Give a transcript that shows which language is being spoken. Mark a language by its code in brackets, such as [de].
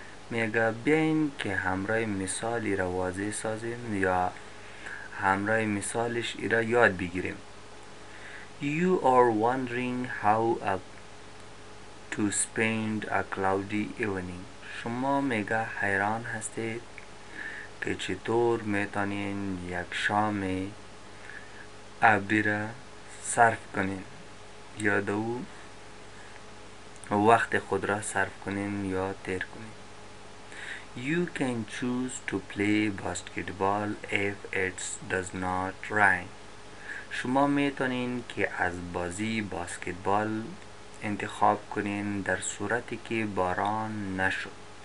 [fa] میگه بیاین که همراه مثالی را واضح سازیم یا همراه مثالش ایرا یاد بگیریم. [en] You are wondering how to spend a cloudy evening. [fa] شما میگه حیران هستید که چطور میتونین یک شام ابری را صرف کنین یا دو وقت خود را صرف کنین یا تیر کنین. [en] You can choose to play basketball if it does not rain. [fa] شما میتونین که از بازی باسکتبال انتخاب کنین در صورتی که باران نشد.